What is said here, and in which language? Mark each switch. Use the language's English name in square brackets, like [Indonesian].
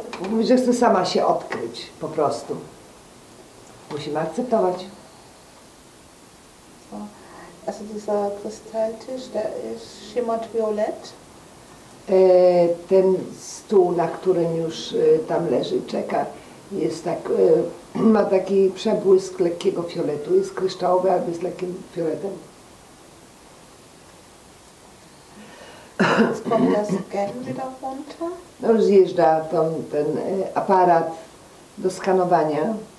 [Polish] Mówi, że chce sama się odkryć po prostu. Musimy akceptować. So. [German] Also dieser Kristalltisch, der ist schimmert violett. [Polish] Ten stół, na którym już tam leży, czeka, jest tak, ma taki przebłysk lekkiego fioletu. Jest kryształowy, albo jest lekkim fioletem. [German] Jetzt kommt das Gen wieder runter. [Polish] No już zjeżdża ten aparat do skanowania.